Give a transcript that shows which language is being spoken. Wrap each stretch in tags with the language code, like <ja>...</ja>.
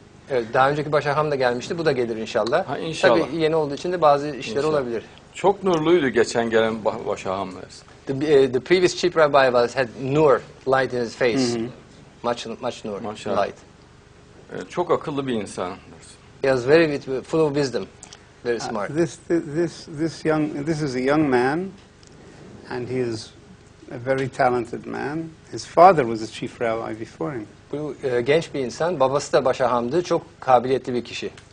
<tr>Evet, daha önceki başkan da gelmişti, bu da gelir inşallah. Ha, inşallah. Tabii yeni olduğu için de bazı işler i̇nşallah. Olabilir. Çok nurluydu geçen gelen başkan.</tr> <en>The previous chief rabbi had nur, light in his face. Mm-hmm. Much nur, maşallah. Light.</en> <tr>Çok akıllı bir insan.</tr> <en>He was very full of wisdom. Very smart. This is a young man, and he is a very talented man. His father was a chief rabbi before him.</en> <tr>Bu genç bir insan, babası da başahamdı, çok kabiliyetli bir kişi.</tr>